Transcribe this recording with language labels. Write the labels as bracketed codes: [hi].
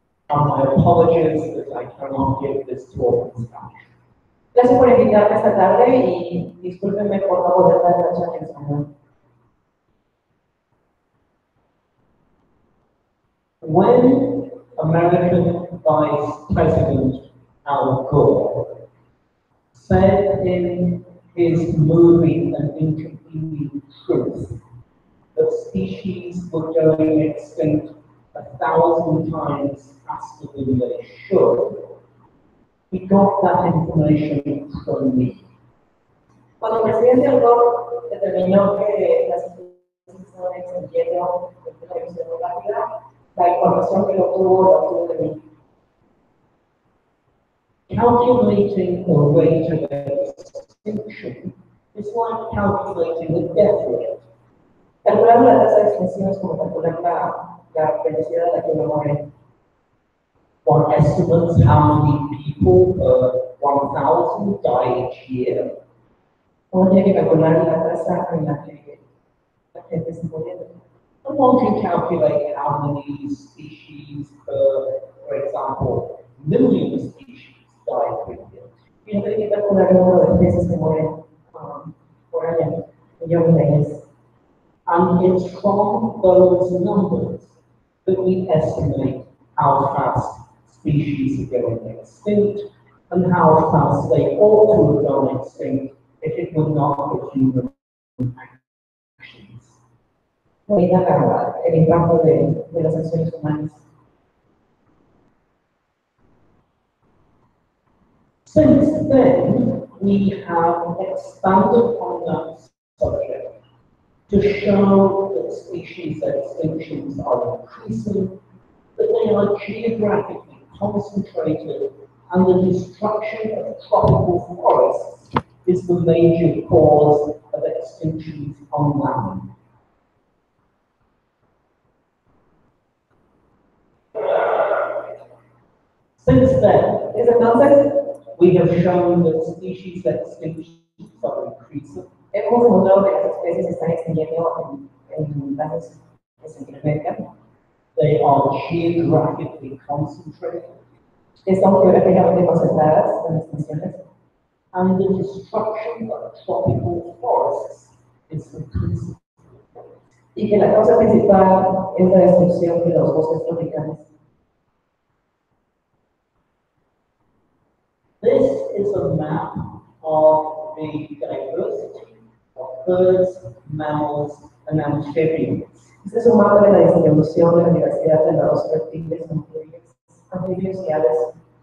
[en] And my apologies that I cannot give this talk in Spanish. [es] Gracias por invitarme esta tarde y discúlpenme por no poder dar la charla en español. [en] When American Vice President Al Gore said in his movie An Inconvenient Truth that species were going extinct 1,000 times faster than they should, we got that information from me. [es] Cuando el presidente Al Gore determinó que las especies estaban extinguiendo de una visión rápida, la información que obtuvo la obtuvo de mí. [en] Calculating the rate of extinction is like calculating the death rate. [es] Calcular la tasa de extinción es como calcular la velocidad a la que uno muere. [en] One estimates how many people per 1,000 die each year. [es] Uno tiene que calcular la tasa en la que la gente se muere. [en] And one can calculate how many species per, for example, million species. [es] Y no tiene que calcular el número de peces que mueren por año, millones de años. [en] And it's from those numbers that we estimate how fast species are going extinct and how fast they ought to have gone extinct if it would not be human actions. [es] Voy a dar el ejemplo de las acciones humanas. [en] Since then, we have expanded on that subject to show that species extinctions are increasing, that they are geographically concentrated, and the destruction of tropical forests is the major cause of extinctions on land. Since then, is it not that? We have shown that species extinctions are increasing. [es] Hemos mostrado que las especies están extinguiendo en lugares de Centroamérica. [en] They are geographically concentrated. [es] Están geográficamente concentradas en extinciones. [en] And the destruction of tropical forests is increasing. [es] Y que la causa principal es la destrucción de los bosques tropicales. [en] This is a map of the diversity of birds, mammals, and amphibians. [es] Este es un mapa de la distribución de la diversidad de los reptiles, anfibios y aves.